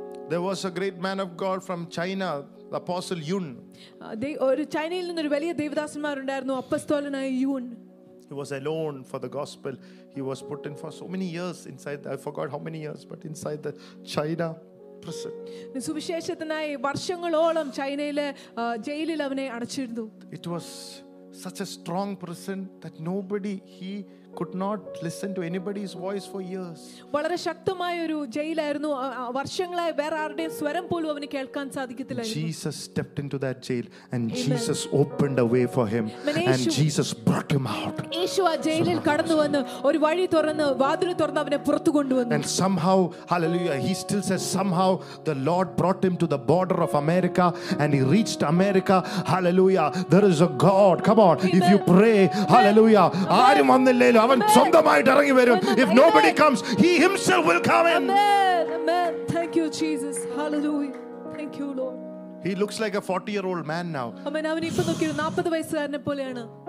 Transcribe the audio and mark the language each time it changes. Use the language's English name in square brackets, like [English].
[English] There was a great man of God from China, the apostle Yun. [Malayalam] They or ചൈനയിൽ നിന്ന് ഒരു വലിയ ദൈവദാസന്മാർ ഉണ്ടായിരുന്നു, അപ്പസ്തോലനായ യുൻ. [English] He was alone for the gospel. He was put in for so many years inside the, I forgot how many years, but inside the China prison. [Malayalam] നിസുവിശേഷത്തിനായി വർഷങ്ങളോളം ചൈനയിലെ ജയിലിൽ അവനെ അടച്ചിരുന്നു. [English] It was such a strong prison that nobody he could not listen to anybody's voice for years. [Malayalam] വളരെ ശക്തമായ ഒരു ജയിലായിരുന്നു. വർഷങ്ങളായി വേറെ ആരുടെയും സ്വരം പോലും അവനെ കേൾക്കാൻ സാധിക്കില്ലായിരുന്നു. [English] Jesus stepped into that jail and Jesus opened a way for him and Jesus brought him out. [Malayalam] യേശു ആ ജയിലിൽ കടന്നു വന്ന് ഒരു വഴി തുറന്ന് വാതിൽ തുറന്ന് അവനെ പുറത്തു കൊണ്ടുവന്നു. [English] And somehow, hallelujah, he still says somehow the Lord brought him to the border of America and he reached America. Hallelujah. There is a God. Come on. If you pray, hallelujah. [Malayalam] ആരും വന്നില്ലേ അവൻ സ്വന്തമായിട്ട് ഇറങ്ങി വരും. [English] If nobody comes, he himself will come in. Amen. Amen. Thank you Jesus. Hallelujah. Thank you Lord. He looks like a 40 year old man now. [Malayalam] അമ്മേ അവൻ ഇപ്പോ നോക്കി 40 വയസ്സുകാരനെ പോലെയാണ്.